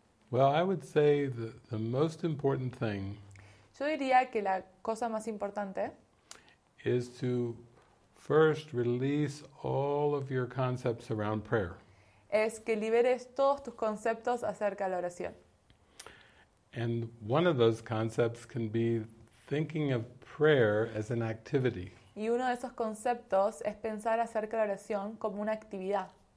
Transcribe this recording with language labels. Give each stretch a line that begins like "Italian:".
English: Well, I would say the most important thing.
Spanish: Yo diría que la cosa más importante
English: is to first release all of your concepts around prayer.
Spanish: Es que liberes todos tus conceptos acerca de la oración.
English: And one of those concepts can be thinking of prayer as an activity.
Spanish: Y uno de esos conceptos es pensar acerca de la oración como una actividad.